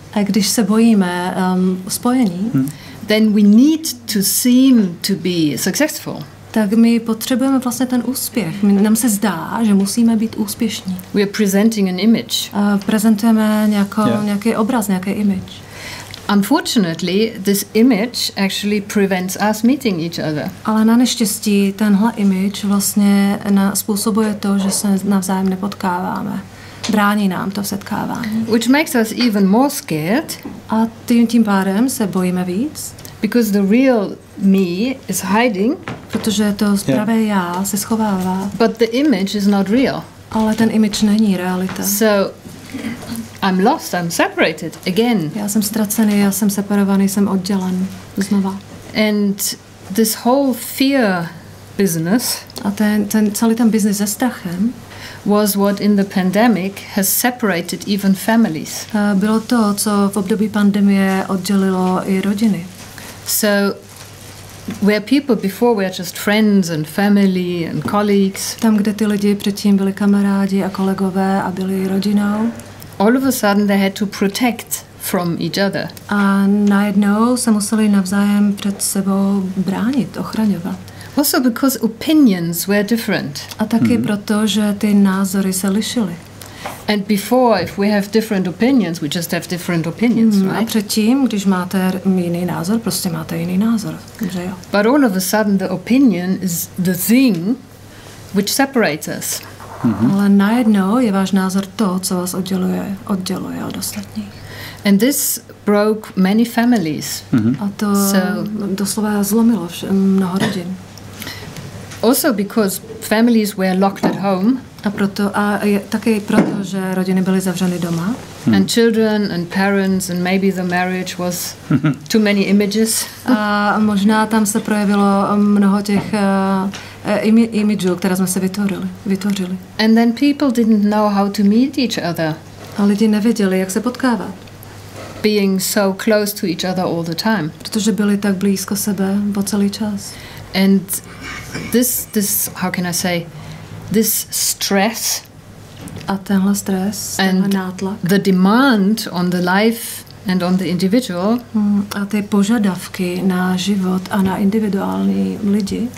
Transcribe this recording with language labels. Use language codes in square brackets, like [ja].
[cs] A když se bojíme spojení, [en] Then we need to seem to be successful. [cs] Tak my potřebujeme vlastně ten úspěch. Nám se zdá, že musíme být úspěšní. [en] We are presenting an image. [cs] Prezentujeme nějaký obraz, nějaký image. [en] Unfortunately, this image actually prevents us meeting each other. [cs] Ale na neštěstí tenhle image vlastně způsobuje to, že se navzájem nepotkáváme. Brání nám to setkávání. [en] Which makes us even more scared. [cs] A tím pádem se bojíme víc. [en] Because the real me is hiding. [cs] Protože to pravé já se schovává. [en] But the image is not real. [cs] Ale ten image není realita. [en] So I'm lost, I'm separated again. [cs] Já jsem ztracený, já jsem separovaný, jsem oddělen znova. [en] And this whole fear business, [cs] a ten celý ten business se strachem, [en] was what in the pandemic has separated even families. [cs] Bylo to, co v období pandemie oddělilo i rodiny. [en] So where people before were just friends and family and colleagues. [cs] Tam, kde ty lidi předtím byli kamarádi a kolegové a byli rodinou. [en] All of a sudden they had to protect from each other. [cs] A najednou se museli navzájem před sebou bránit, ochraňovat. [en] Also because opinions were different. [cs] A taky proto, že ty názory se lišily. [en] And before, if we have different opinions, we just have different opinions, right? [cs] A předtím, když máte jiný názor, prostě máte jiný názor, že jo? [en] But all of a sudden the opinion is the thing which separates us. Mm-hmm. [cs] Ale najednou je váš názor to, co vás odděluje od ostatních. [en] And this broke many families. [cs] Mm-hmm. A to doslova zlomilo mnoho rodin. [en] Also because families were locked at home. [cs] A proto a je, taky proto, že rodiny byly zavřeny doma. Hmm. [en] And children and parents and maybe the marriage was too many images. [cs] A možná tam se projevilo mnoho těch imidžů, které jsme se vytvořili. [en] And then people didn't know how to meet each other. [cs] A lidi nevěděli, jak se potkávat. [en] Being so close to each other all the time. [cs] Protože byli tak blízko sebe po celý čas. [en] And this how can I say, this stress, [cs] a tenhle stres, [en] and [cs] tenhle nátlak, [en] the demand on the life and on the individual, [cs] a ty požadavky na život a na individuální lidi,